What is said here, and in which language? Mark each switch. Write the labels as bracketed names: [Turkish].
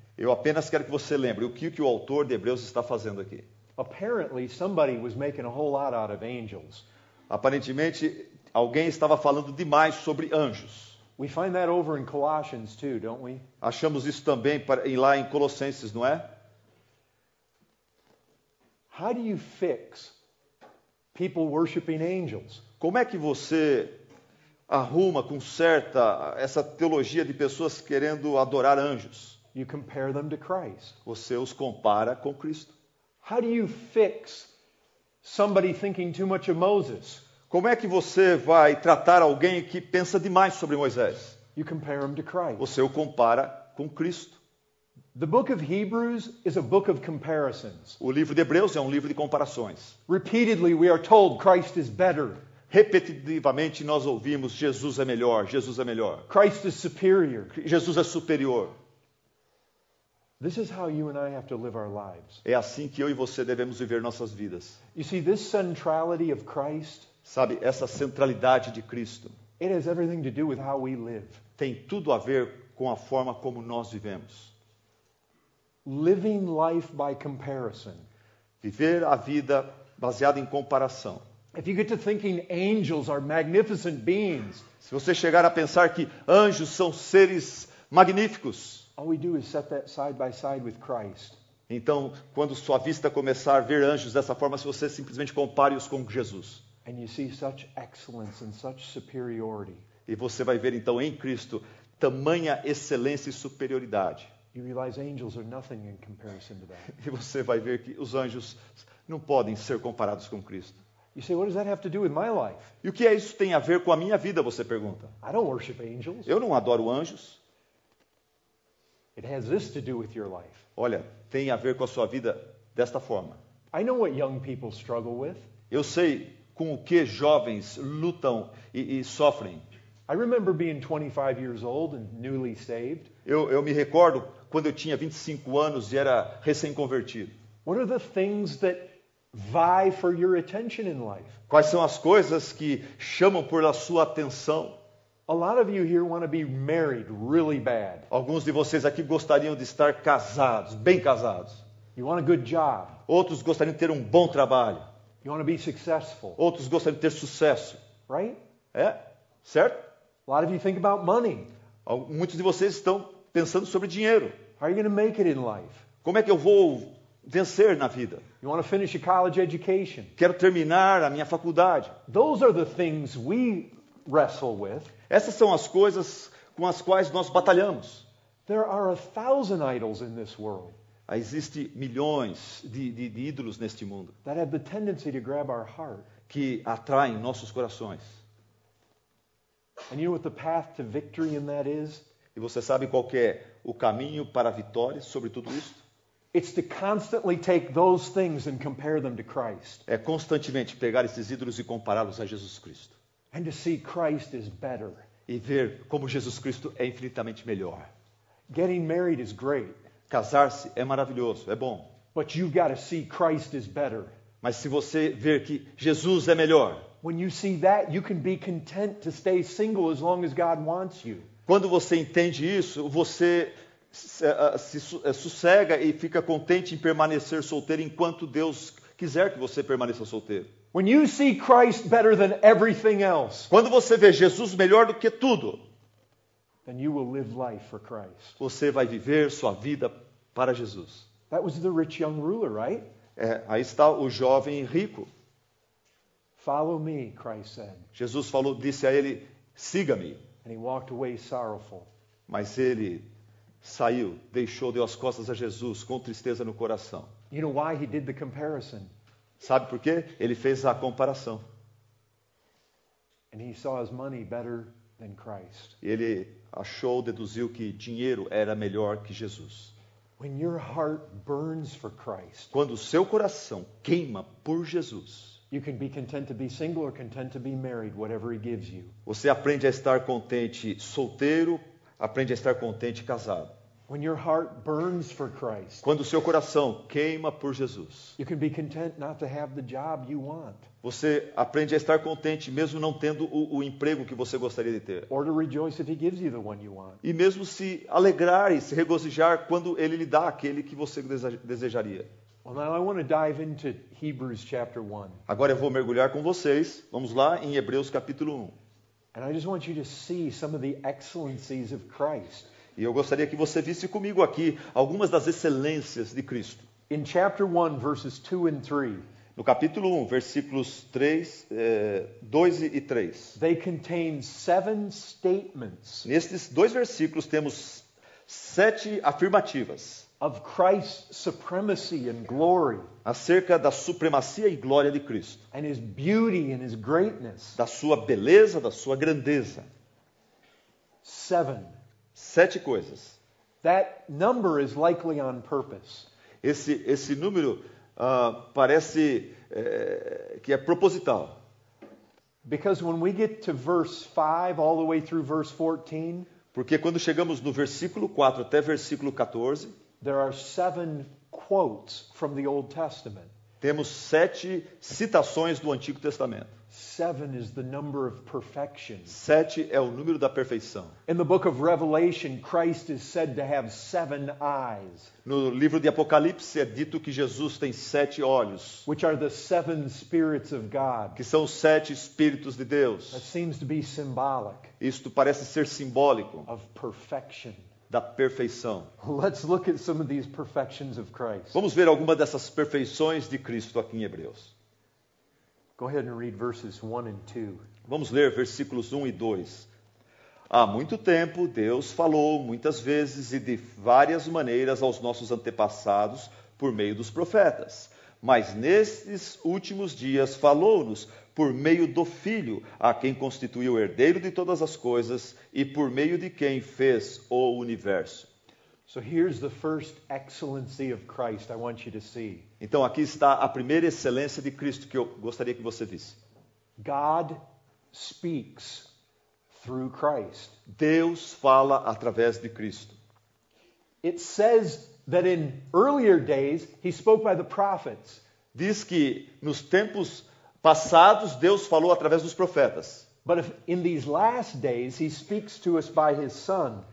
[Portuguese] Eu apenas quero que você lembre o que o autor de Hebreus está fazendo aqui. [English] Apparently somebody was making a whole lot out of angels. [Portuguese] Aparentemente alguém estava falando demais sobre anjos. [English] We find that over in Colossians too, don't we? [Portuguese] Achamos isso também lá em Colossenses, não é? [English] How do you fix people worshiping angels? [Portuguese] Como é que você arruma, conserta essa teologia de pessoas querendo adorar anjos? [English] You compare them to Christ. [Portuguese] Você os compara com Cristo. [English] How do you fix somebody thinking too much of Moses? [Portuguese] Como é que você vai tratar alguém que pensa demais sobre Moisés? [English] You compare him to Christ. [Portuguese] Você o compara com Cristo. [English] The book of Hebrews is a book of comparisons. [Portuguese] O livro de Hebreus é um livro de comparações. [English] Repeatedly we are told Christ is better. [Portuguese] Repetitivamente nós ouvimos Jesus é melhor, Jesus é melhor. [English] Christ is superior. [Portuguese] Jesus é superior. [English] This is how you and I have to live our lives. [Portuguese] É assim que eu e você devemos viver nossas vidas. [English] You see, this centrality of Christ, [Portuguese] sabe, essa centralidade de Cristo, [English] it has everything to do with how we live. [Portuguese] Tem tudo a ver com a forma como nós vivemos. [English] Living life by comparison. [Portuguese] Viver a vida baseada em comparação. [English] If you get to thinking angels are magnificent beings, [Portuguese] se você chegar a pensar que anjos são seres magníficos, [English] all we do is set that side by side with Christ. [Portuguese] Então, quando sua vista começar a ver anjos dessa forma, se você simplesmente compare-os com Jesus, [English] and you see such excellence and such superiority, [Portuguese] e você vai ver então em Cristo tamanha excelência e superioridade, [English] you realize angels are nothing in comparison to that. [Portuguese] E você vai ver que os anjos não podem ser comparados com Cristo. [English] You say, what does that have to do with my life? [Portuguese] E o que é isso tem a ver com a minha vida, você pergunta? [English] I don't worship angels. [Portuguese] Eu não adoro anjos. [English] It has this to do with your life. [Portuguese] Olha, tem a ver com a sua vida desta forma. [English] I know what young people struggle with. [Portuguese] Eu sei com o que jovens lutam e sofrem. [English] I remember being 25 years old and newly saved. [Portuguese] Eu me recordo quando eu tinha 25 anos e era recém-convertido. [English] What are the things that vie for your attention in life? [Portuguese] Quais são as coisas que chamam por a sua atenção? [English] A lot of you here want to be married really bad. [Portuguese] Alguns de vocês aqui gostariam de estar casados, bem casados. [English] You want a good job. [Portuguese] Outros gostariam de ter um bom trabalho. [English] You want to be successful. [Portuguese] Outros gostariam de ter sucesso. [English] Right? [Portuguese] É? Certo? [English] A lot of you think about money. [Portuguese] Muitos de vocês estão pensando sobre dinheiro. [English] How are you going to make it in life? [Portuguese] Como é que eu vou vencer na vida? [English] You want to finish a college education. [Portuguese] Quero terminar a minha faculdade. [English] Those are the things we wrestle with. [Portuguese] Essas são as coisas com as quais nós batalhamos. [English] There are a thousand idols in this world. [Portuguese] Existem milhões de ídolos neste mundo. [English] That have the tendency to grab our heart. [Portuguese] Que atraem nossos corações. [English] And you know what the path to victory in that is? [Portuguese] E você sabe qual que é o caminho para a vitória sobre tudo isso? [English] It's to constantly take those things and compare them to Christ. [Portuguese] É constantemente pegar esses ídolos e compará-los a Jesus Cristo. [English] And to see Christ is better. [Portuguese] E ver como Jesus Cristo é infinitamente melhor. [English] Getting married is great. [Portuguese] Casar-se é maravilhoso, é bom. [English] But you've got to see Christ is better. [Portuguese] Mas se você ver que Jesus é melhor. [English] When you see that, you can be content to stay single as long as God wants you. [Portuguese] Quando você entende isso, você se sossega e fica contente em permanecer solteiro enquanto Deus quiser que você permaneça solteiro. [English] When you see Christ better than everything else, [Portuguese] quando você vê Jesus melhor do que tudo, [English] then you will live life for Christ. [Portuguese] Você vai viver sua vida para Jesus. [English] That was the rich young ruler, right? [Portuguese] É, aí está o jovem rico. [English] Follow me, Christ said. [Portuguese] Jesus falou, disse a ele, siga-me. [English] And he walked away sorrowful. [Portuguese] Mas ele saiu, deixou, deu as costas a Jesus com tristeza no coração. [English] You know why he did the comparison? [Portuguese] Sabe por quê? Ele fez a comparação. [English] And he saw his money better than Christ. [Portuguese] Ele achou, deduziu que dinheiro era melhor que Jesus. [English] When your heart burns for Christ, [Portuguese] quando o seu coração queima por Jesus, [English] You can be content to be single or content to be married, whatever he gives you. [Portuguese] Você aprende a estar contente solteiro, aprende a estar contente casado. [English] When your heart burns for Christ. [Portuguese] Quando o seu coração queima por Jesus. [English] You can be content not to have the job you want. [Portuguese] Você aprende a estar contente mesmo não tendo o emprego que você gostaria de ter. [English] Or to rejoice if he gives you the one you want. [Portuguese] E mesmo se alegrar e se regozijar quando ele lhe dá aquele que você desejaria. [English] Well, now I want to dive into Hebrews chapter 1. [Portuguese] Agora eu vou mergulhar com vocês. Vamos lá em Hebreus capítulo 1. [English] And I just want you to see some of the excellencies of Christ. [Portuguese] E eu gostaria que você visse comigo aqui algumas das excelências de Cristo. [English] In chapter 1, verses 2 and 3. [Portuguese] No capítulo 1, versículos 2 e 3. [English] They contain 7 statements. [Portuguese] Nestes dois versículos temos 7 afirmativas. [English] Of Christ's supremacy and glory. [Portuguese] Acerca da supremacia e glória de Cristo. [English] And his beauty and his greatness. [Portuguese] Da sua beleza, da sua grandeza. [English] 7. [Portuguese] 7 coisas. [English] That number is likely on purpose. [Portuguese] Esse número parece que é proposital. [English] Because when we get to verse 5 all the way through verse 14, [Portuguese] porque quando chegamos no versículo 4 até versículo 14, [English] there are 7 quotes from the Old Testament. [Portuguese] Temos 7 citações do Antigo Testamento. [English] 7 is the number of perfection. [Portuguese] 7 é o número da perfeição. [English] In the book of Revelation, Christ is said to have 7 eyes. [Portuguese] No livro de Apocalipse é dito que Jesus tem 7 olhos. [English] Which are the 7 spirits of God. [Portuguese] Que são os 7 espíritos de Deus. [English] That seems to be symbolic. [Portuguese] Isto parece ser simbólico. [English] Of perfection. [Portuguese] Da perfeição. [English] Let's look at some of these perfections of Christ. [Portuguese] Vamos ver alguma dessas perfeições de Cristo aqui em Hebreus. [English] Go ahead and read verses 1 and 2. [Portuguese] Vamos ler versículos 1 e 2. Há muito tempo, Deus falou muitas vezes e de várias maneiras aos nossos antepassados por meio dos profetas. Mas nestes últimos dias falou-nos por meio do Filho, a quem constituiu herdeiro de todas as coisas e por meio de quem fez o universo. [English] So here's the first excellency of Christ I want you to see. [Portuguese] Então aqui está a primeira excelência de Cristo que eu gostaria que você visse. [English] God speaks through Christ. [Portuguese] Deus fala através de Cristo. [English] It says that in earlier days he spoke by the prophets. [Portuguese] Diz que nos tempos passados Deus falou através dos profetas. [English] But if in these last days he speaks to us by his son.